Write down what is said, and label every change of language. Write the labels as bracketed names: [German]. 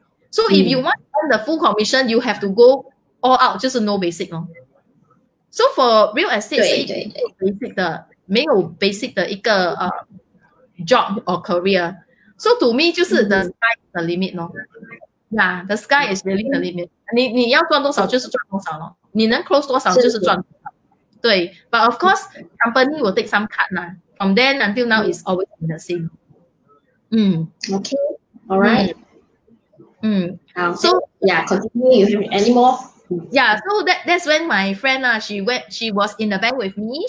[English] So if you want to earn the full commission, you have to go all out, just no basic. No? So for real estate, 没有 basic 的一个job or career. So to me, 就是 the sky is the limit. No? Yeah, the sky is really the limit. [Chinese] 你要赚多少就是赚多少咯。你能 close 多少就是赚多少。 [English] 对, but of course, company will take some cut. Nah. From then until now, it's always been the same. Okay, all right. So, yeah, continue. You have any more? Yeah, so that's when my friend she was in the bank with me.